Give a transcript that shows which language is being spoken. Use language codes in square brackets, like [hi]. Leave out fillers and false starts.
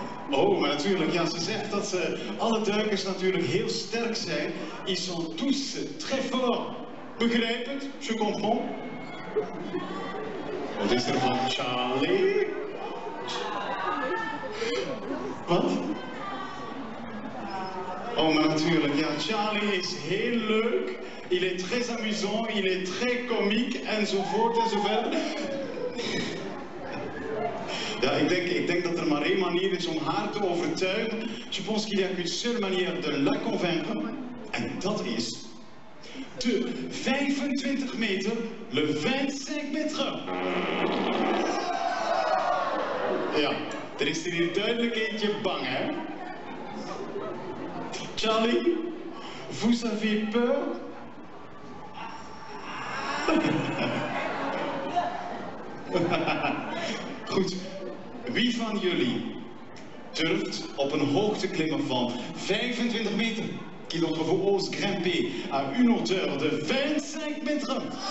[nl] Oh, maar natuurlijk, ja, ze zegt dat ze alle duikers natuurlijk heel sterk zijn. [fr] Ils sont tous très forts. [nl] Begrijp het? [fr] Je comprends? [nl] Wat is er van Charlie? Wat? Oh, maar natuurlijk, ja, Charlie is heel leuk. [fr] Il est très amusant, il est très comique, [nl] enzovoort, enzovoort. Ja, ik denk dat er maar één manier is om haar te overtuigen. [fr] Je pense qu'il y a qu'une seule manière de la convaincre. [nl] En dat is de 25 meter, [fr] le 25 meter. [nl] Ja, er is er hier duidelijk eentje bang, hè? [fr] Charlie, vous avez peur? [nl] Goed. Wie van jullie durft op een hoogte klimmen van 25 meter? [fr] Qui d'entre vous ose grimper à une hauteur de 25 meter?